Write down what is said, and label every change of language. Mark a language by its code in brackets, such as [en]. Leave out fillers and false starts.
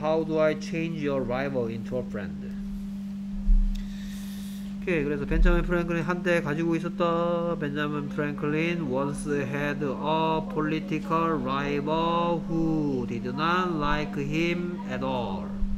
[en] How do I change your rival into a friend? [ko] 오케이. 그래서 벤자민 프랭클린 한때 가지고 있었다. [en] 벤자민 프랭클린 once had a political rival who did not like him at all.